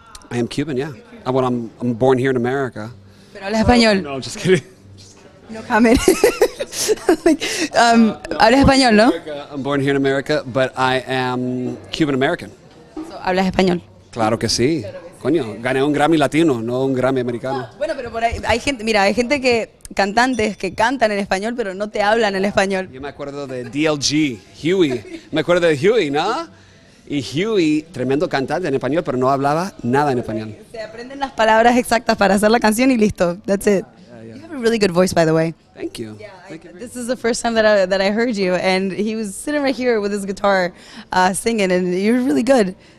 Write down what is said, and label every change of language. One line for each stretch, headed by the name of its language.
English: I am Cuban, yeah. I'm born here in America.
Spanish: Pero habla español.
English: No, just kidding. No comment.
Spanish: Habla español, no?
English: I'm born here in America, but I am Cuban American.
Spanish: So, hablas español? Claro que sí. Coño, gané un Grammy Latino, no un Grammy Americano. Bueno, pero por ahí, hay gente que, cantantes que cantan en español, pero no te hablan en español. Yo me acuerdo de DLG, Huey. Me acuerdo de Huey, ¿no? Y Huey, tremendo cantante en español, pero no hablaba nada en español. Se aprenden las palabras exactas para hacer la canción y listo.
English: That's it. Yeah. You have a really good voice, by the way. Thank you. This is the first time that I heard you, and he was sitting right here with his guitar singing, and you're really good.